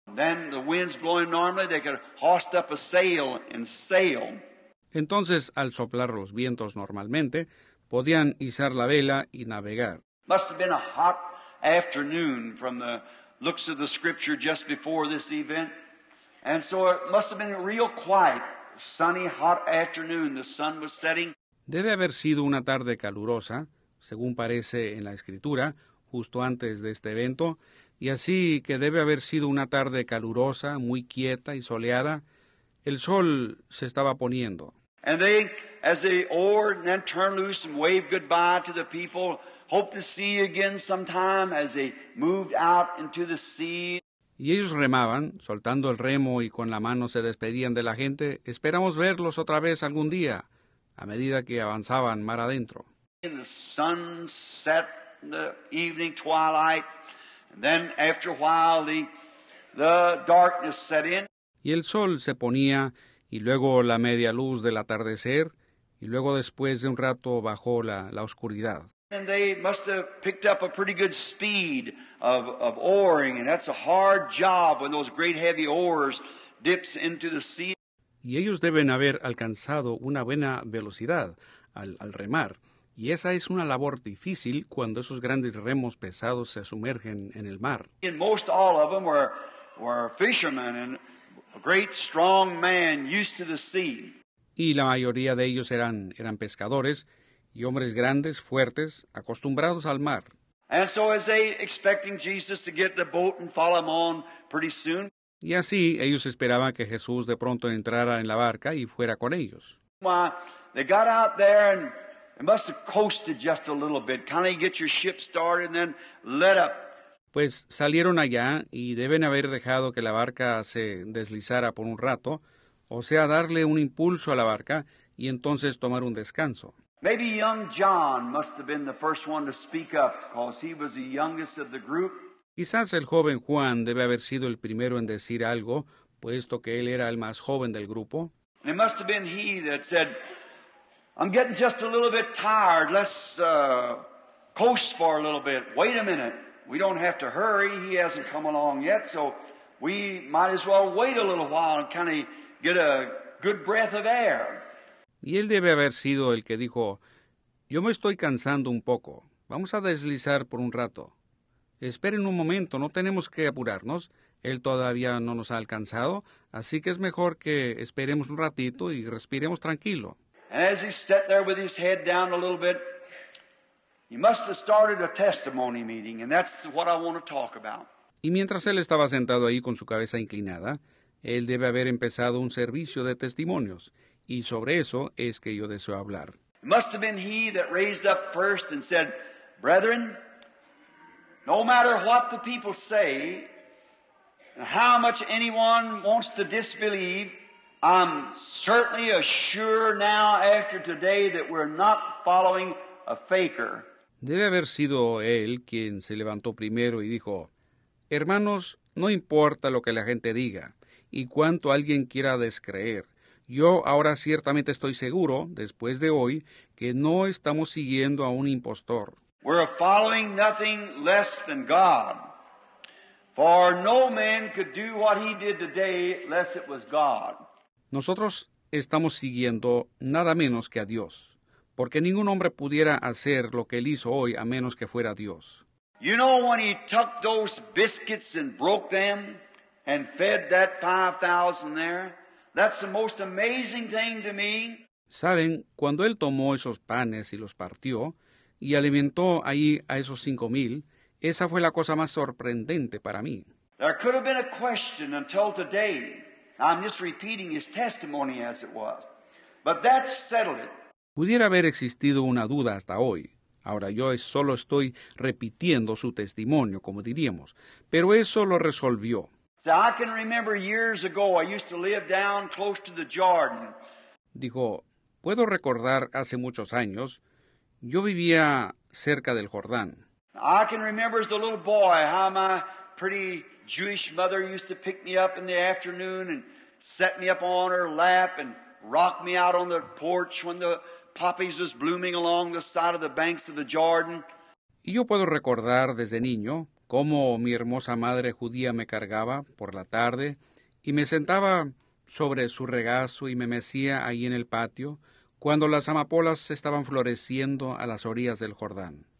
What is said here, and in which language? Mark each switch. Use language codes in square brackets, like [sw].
[en] Then the wind's blowing normally, they could hoist up a sail and sail. [es] Entonces, al soplar los vientos normalmente, podían izar la vela y navegar. [en] Must have been a hot afternoon from the looks of the scripture just before this event. And so it must have been real quiet, sunny, hot afternoon. The sun was setting. [es] Debe haber sido una tarde calurosa, según parece en la Escritura, justo antes de este evento, y así que debe haber sido una tarde calurosa, muy quieta y soleada, el sol se estaba poniendo. [en] And they, as they oared and then turned loose and waved goodbye to the people, hope to see you again sometime as they moved out into the sea. [es] Y ellos remaban, soltando el remo y con la mano se despedían de la gente, esperamos verlos otra vez algún día, a medida que avanzaban mar adentro. [en] And the sun set in the evening twilight, and then after a while the darkness set in. [es] Y el sol se ponía, y luego la media luz del atardecer, y luego después de un rato bajó la oscuridad. [en] And they must have picked up a pretty good speed of oaring, and that's a hard job when those great heavy oars dips into the sea. [es] Y ellos deben haber alcanzado una buena velocidad al remar. Y esa es una labor difícil cuando esos grandes remos pesados se sumergen en el mar. [en] And most all of them were fishermen and a great strong man used to the sea. [es] Y la mayoría de ellos eran pescadores y hombres grandes, fuertes, acostumbrados al mar. [en] And so as they expecting Jesus to get the boat and follow him on pretty soon. [es] Y así ellos esperaban que Jesús de pronto entrara en la barca y fuera con ellos. [en] Well, they got out there and they must have coasted just a little bit. Kind of get your ship started and then let up. [es] Pues salieron allá y deben haber dejado que la barca se deslizara por un rato, o sea, darle un impulso a la barca y entonces tomar un descanso. [en] Maybe young John must have been the first one to speak up because he was the youngest of the group. [es] Quizás el joven Juan debe haber sido el primero en decir algo, puesto que él era el más joven del grupo. [en] It must have been he that said, "I'm getting just a little bit tired. Let's coast for a little bit. Wait a minute. We don't have to hurry. He hasn't come along yet, so we might as well wait a little while and kind of get a good breath of air." [es] Y él debe haber sido el que dijo, "Yo me estoy cansando un poco. Vamos a deslizar por un rato. Esperen un momento, no tenemos que apurarnos. Él todavía no nos ha alcanzado, así que es mejor que esperemos un ratito y respiremos tranquilo." [en] And as he sat there with his head down a little bit, he must have started a testimony meeting, and that's what I want to talk about. [es] Y mientras él estaba sentado ahí con su cabeza inclinada, él debe haber empezado un servicio de testimonios, y sobre eso es que yo deseo hablar. [en] It must have been he that raised up first and said, "Brethren, no matter what the people say, And how much anyone wants to disbelieve, I'm certainly assured now after today that we're not following a faker. [es] Debe haber sido él quien se levantó primero y dijo, hermanos, no importa lo que la gente diga y cuánto alguien quiera descreer. Yo ahora ciertamente estoy seguro, después de hoy, que no estamos siguiendo a un impostor. [en] We're following nothing less than God. For no man could do what he did today unless it was God. [es] Nosotros estamos siguiendo nada menos que a Dios, porque ningún hombre pudiera hacer lo que él hizo hoy a menos que fuera Dios. [en] You know when he took those biscuits and broke them and fed that 5,000 there? That's the most amazing thing to me. [es] ¿Saben? Cuando él tomó esos panes y los partió y alimentó ahí a esos 5,000, esa fue la cosa más sorprendente para mí. [en] There could have been a question until today. I'm just repeating his testimony as it was. But that settled it. [es] Pudiera haber existido una duda hasta hoy. Ahora yo solo estoy repitiendo su testimonio, como diríamos. Pero eso lo resolvió. [en] So I can remember years ago, I used to live down close to the Jordan. [es] Dijo, puedo recordar hace muchos años, yo vivía cerca del Jordán. [en] I can remember as a little boy how my pretty Jewish mother used to pick me up in the afternoon and set me up on her lap and rock me out on the porch when the poppies was blooming along the side of the banks of the Jordan. [es] Y yo puedo recordar desde niño cómo mi hermosa madre judía me cargaba por la tarde y me sentaba sobre su regazo y me mecía ahí en el patio cuando las amapolas estaban floreciendo a las orillas del Jordán.